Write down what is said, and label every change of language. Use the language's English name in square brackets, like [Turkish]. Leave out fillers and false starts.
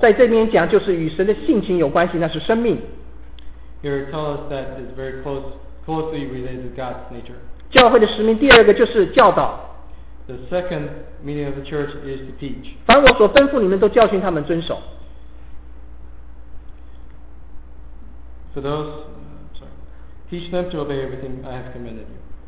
[Chinese] 在这边讲就是与神的性情有关系，那是生命。 [English] Here it tells us that it's very closely related to God's nature. [Chinese] 教会的使命第二个就是教导。 [English] The second meaning of the church is to teach. [Chinese] 凡我所吩咐你们都教训他们遵守。 [English] For those, teach them to obey everything I have commanded you.